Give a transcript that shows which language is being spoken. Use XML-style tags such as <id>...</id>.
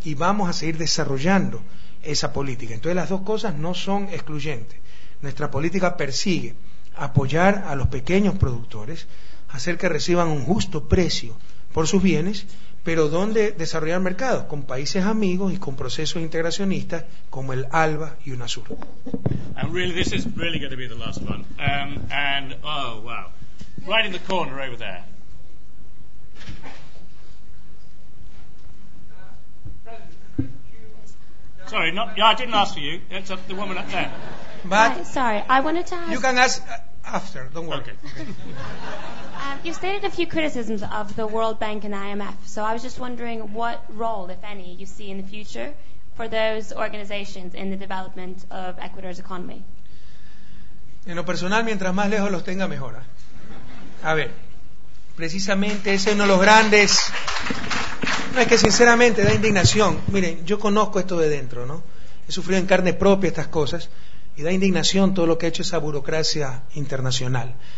<es>Y vamos a seguir desarrollando esa política. Entonces las dos cosas no son excluyentes. Nuestra política persigue apoyar a los pequeños productores, hacer que reciban un justo precio por sus bienes, pero ¿dónde desarrollar mercados? Con países amigos y con procesos integracionistas como el ALBA y UNASUR.</es> <en>And really, this is really going to be the last one. And oh wow, right in the corner over there. Sorry, not. Yeah, I didn't ask for you. It's the woman up there. But sorry, I wanted to ask. You can ask after. Don't worry. Okay. You stated a few criticisms of the World Bank and IMF, so I was just wondering what role, if any, you see in the future for those organizations in the development of Ecuador's economy.</en> <es>En lo personal, mientras más lejos los tenga, mejor. A ver, precisamente ese es uno de los grandes. No, es que sinceramente da indignación. Miren, yo conozco esto de dentro, ¿no? He sufrido en carne propia estas cosas y da indignación todo lo que ha hecho esa burocracia internacional.</es>